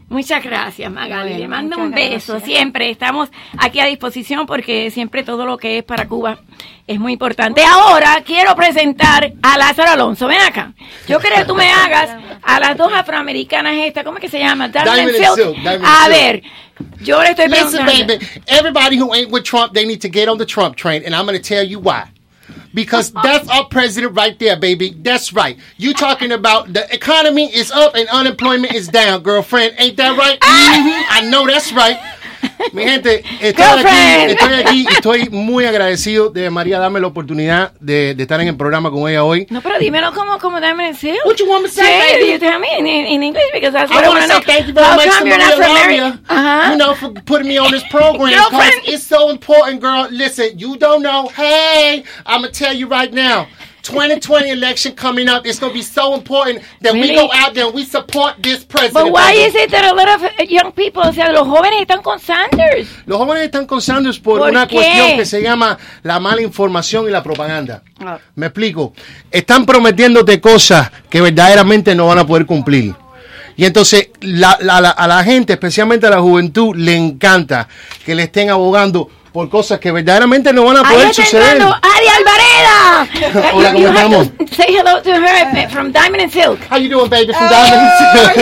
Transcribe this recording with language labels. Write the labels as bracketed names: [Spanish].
[Spanish] Muchas gracias, Magali. Bueno, le mando un beso. Gracias. Siempre estamos aquí a disposición, porque siempre todo lo que es para Cuba es muy importante. Ahora quiero presentar a Lázaro Alonso. Ven acá. Yo quiero que tú me hagas a las dos afroamericanas estas. ¿Cómo es que se llama? [English] Diamond and Silk. [Spanish] Yo le estoy preguntando. [English] Listen, baby. Everybody who ain't with Trump, they need to get on the Trump train. And I'm going to tell you why. Because that's our president right there, baby. That's right. You talking about the economy is up and unemployment is down, girlfriend. Ain't that right? Mm-hmm. I know that's right. [Spanish] Mi gente, estoy aquí y estoy muy agradecido de María darme la oportunidad de estar en el programa con ella hoy. No, pero dímelo como déjame decir. [English] What you want me to say? Yeah, do you tell me in English? Because that's what I want to say. Thank you very much to Maria Laria, you know, for putting me on this program. Because it's so important, girl. Listen, you don't know. Hey, I'm going to tell you right now. 2020 election coming up. It's going to be so important that really? We go out there and we support this president. But why is it that a lot of young people, [Spanish] o sea, los jóvenes están con Sanders? Los jóvenes están con Sanders por una qué? Cuestión que se llama la mala información y la propaganda. Me explico. Están prometiéndote cosas que verdaderamente no van a poder cumplir. Y entonces a la gente, especialmente a la juventud, le encanta que le estén abogando por cosas que verdaderamente no van a poder suceder. Addy Albareda. Hola, ¿cómo estamos? [English] Say hello to her from Diamond and Silk. How you doing, baby, from Diamond and Silk?